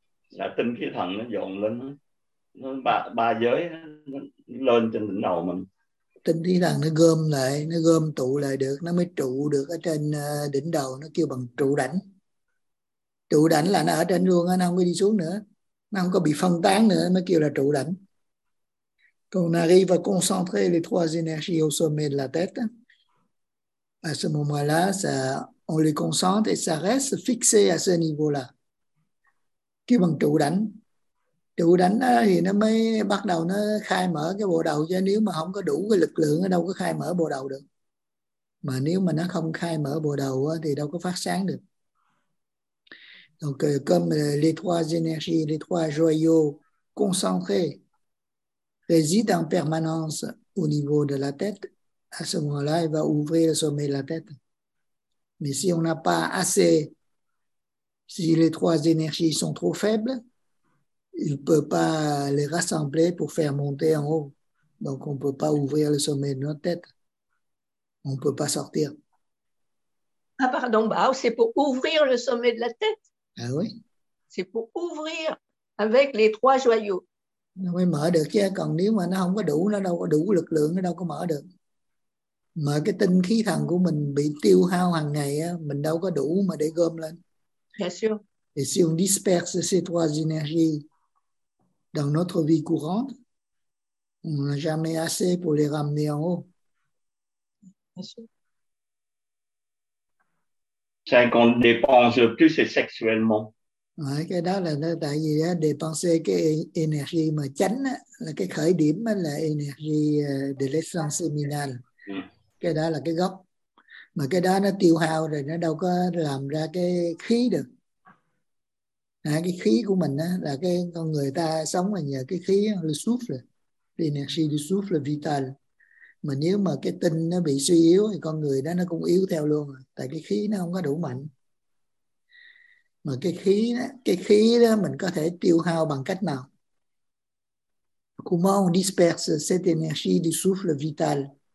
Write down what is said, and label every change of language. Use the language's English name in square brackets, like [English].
[Vietnamese] Là tinh khí thần nó dồn lên, nó ba giới nó lên trên đỉnh đầu mình. Tinh khí thần nó gom lại, nó gom tụ lại được, nó mới trụ được ở trên đỉnh đầu, nó kêu bằng trụ đảnh. Trụ đảnh là nó ở trên luôn, nó không có đi xuống nữa, nó không có bị phân tán nữa, nó kêu là trụ đảnh. [French] Qu'on arrive à concentrer les trois énergies au sommet de la tête. À ce moment-là, ça on les concentre et ça reste fixé à ce niveau-là. [Vietnamese] Kêu bằng trụ đảnh. Trụ đảnh đó thì nó mới bắt đầu nó khai mở cái bộ đầu, chứ nếu mà không có đủ cái lực lượng nó đâu có khai mở bộ đầu được. Mà nếu mà nó không khai mở bộ đầu thì đâu có phát sáng được. [French] Donc comme les trois énergies, les trois joyaux concentrés résident en permanence au niveau de la tête, à ce moment-là, il va ouvrir le sommet de la tête. Mais si on n'a pas assez, si les trois énergies sont trop faibles, il ne peut pas les rassembler pour faire monter en haut. Donc on ne peut pas ouvrir le sommet de notre tête. On ne peut pas sortir. Ah pardon, bah, c'est pour ouvrir le sommet de la tête. Ah oui. C'est pour ouvrir avec les trois joyaux. [Vietnamese] Nó mới mở được chứ, còn nếu mà nó không có đủ, nó đâu có đủ lực lượng, nó đâu có mở được. Mà cái tinh khí thần của mình bị tiêu hao hàng ngày, mình đâu có đủ mà để gom lên. [French] Bien sûr. Et si on disperse ces trois énergies dans notre vie courante, on n'a jamais assez pour les ramener en haut. Bien sûr. C'est qu'on dépense plus sexuellement. [Vietnamese] Ouais, cái đó là tại vì á, [French] dépenser [Vietnamese] cái énergie mà chánh á, là cái khởi điểm á, là [French] énergie de l'essence seminale. [Vietnamese] Cái đó là cái gốc. Mà cái đó nó tiêu hao rồi, nó đâu có làm ra cái khí được. À, cái khí của mình á, là cái con người ta sống là nhờ cái khí, [French] le souffle, l'énergie du souffle vital. [Vietnamese] Mà nếu mà cái tinh nó bị suy yếu thì con người đó nó cũng yếu theo luôn, tại cái khí nó không có đủ mạnh. Mà cái khí đó mình có thể tiêu hao bằng cách nào? [French] Comment on disperse cette énergie du souffle vital?